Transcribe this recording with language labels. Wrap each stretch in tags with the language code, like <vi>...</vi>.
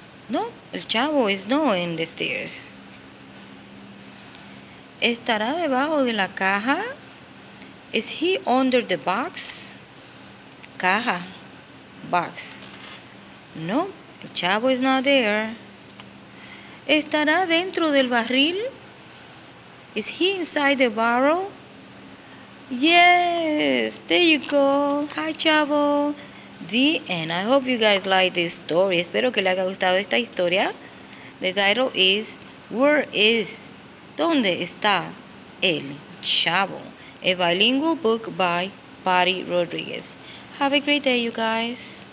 <en>No, El Chavo is not in the stairs.</en> <es>¿Estará debajo de la caja?</es> <en>Is he under the box? Caja. Box. No, El Chavo is not there.</en> <es>¿Estará dentro del barril?</es> <en>Is he inside the barrel? Yes, there you go. Hi, Chavo. The end. I hope you guys like this story.</en> <es>Espero que le haya gustado esta historia.</es> <en>The title is Where is Donde Está El Chavo? A bilingual book by Patty Rodriguez. Have a great day, you guys.</en>